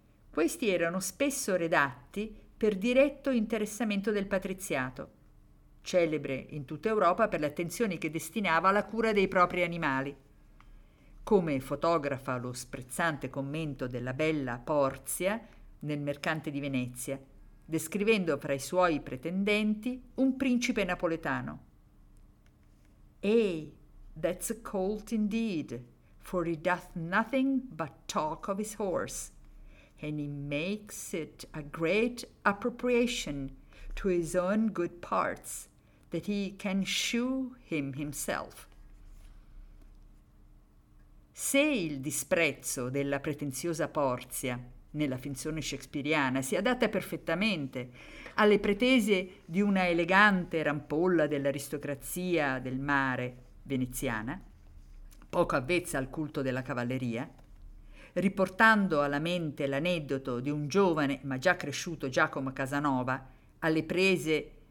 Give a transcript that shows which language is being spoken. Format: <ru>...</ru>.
<it>Questi erano spesso redatti per diretto interessamento del patriziato, celebre in tutta Europa per le attenzioni che destinava alla cura dei propri animali, come fotografa lo sprezzante commento della bella Porzia nel Mercante di Venezia, descrivendo fra i suoi pretendenti un principe napoletano.</it> <en>«Ehi, that's a colt indeed, for he doth nothing but talk of his horse. And he makes it a great appropriation to his own good parts that he can shew him himself.</en> <it>Se il disprezzo della pretenziosa Porzia nella finzione shakespeariana si adatta perfettamente alle pretese di una elegante rampolla dell'aristocrazia del mare veneziana, poco avvezza al culto della cavalleria, riportando alla mente l'aneddoto di un giovane ma già cresciuto Giacomo Casanova alle prese</it>